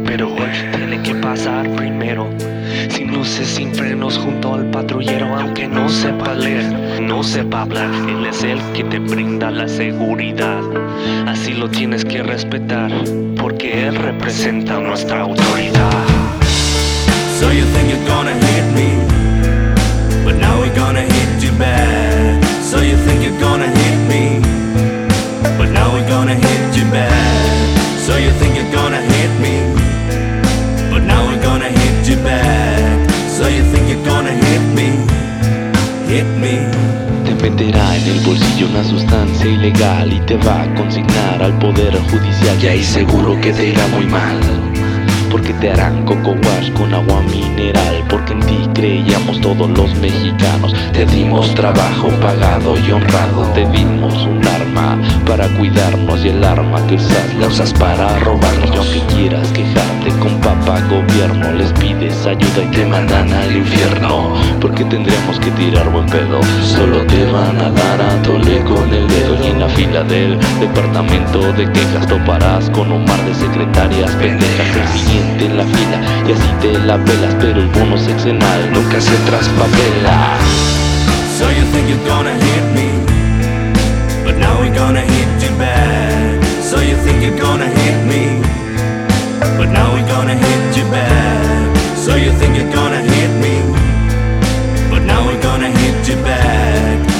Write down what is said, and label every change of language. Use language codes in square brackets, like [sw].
[es] Pero hoy tiene que pasar primero. Sin luces, sin frenos, junto al patrullero. Aunque no sepa leer, no sepa hablar, él es el que te brinda la seguridad. Así lo tienes que respetar, porque él representa nuestra autoridad. [en] So you think you're gonna hit me, but now we're gonna hit you back. So you think you're gonna hit me, but now we're gonna hit you back. So you think you're gonna hit me, but now we're gonna hit you back. So you think you're gonna hit me, hit me. [es] Venderá en el bolsillo una sustancia ilegal y te va a consignar al poder judicial. Y ahí seguro que te irá muy mal, porque te harán coco wash con agua mineral. Porque en ti creíamos todos los mexicanos. Te dimos trabajo pagado y honrado. Te dimos un arma para cuidarnos. Y el arma que usas la usas para robarnos. Y aunque quieras quejarte con papá gobierno, les pides ayuda y te mandan al infierno. Porque tendríamos que tirar buen pedo. Solo te van a dar a tole con el dedo. Y en la fila del departamento de quejas toparás con un mar de secretarias pendejas. Siente la fila y así te la pelas, pero el bono sexenal nunca se traspapela. [en] So you think you're gonna hit me, but now we're gonna hit you back. So you think you're gonna hit me, but now we're gonna hit you back. So you think you're gonna hit me, but now we're gonna hit you back.